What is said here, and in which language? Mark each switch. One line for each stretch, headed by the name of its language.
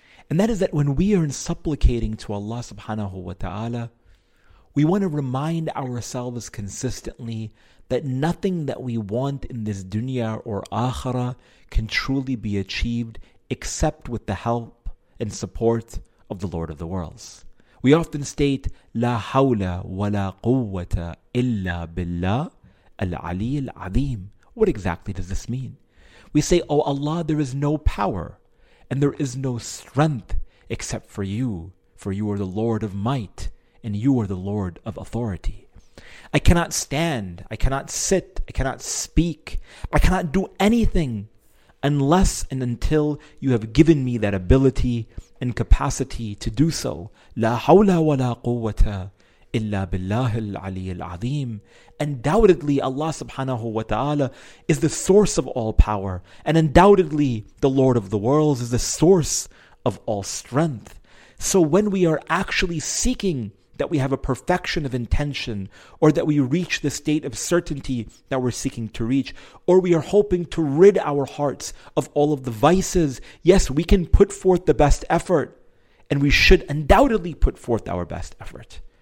English: And that is that when we are in supplicating to Allah subhanahu wa ta'ala, we want to remind ourselves consistently that nothing that we want in this dunya or akhirah can truly be achieved except with the help and support of the Lord of the worlds.
Arabic: We often state, لا حول ولا قوة إلا بالله العلي العظيم.
English: What exactly does this mean? We say, O Allah, there is no power and there is no strength except for you, for you are the Lord of might and you are the Lord of authority. I cannot stand, I cannot sit, I cannot speak, I cannot do anything unless and until you have given me that ability incapacity to do so.
Arabic: لا حول ولا قوة إلا بالله العلي العظيم.
English: Undoubtedly, Allah subhanahu wa ta'ala is the source of all power. And undoubtedly, the Lord of the worlds is the source of all strength. So when we are actually seeking that we have a perfection of intention, or that we reach the state of certainty that we're seeking to reach, or we are hoping to rid our hearts of all of the vices, yes, we can put forth the best effort, and we should undoubtedly put forth our best effort.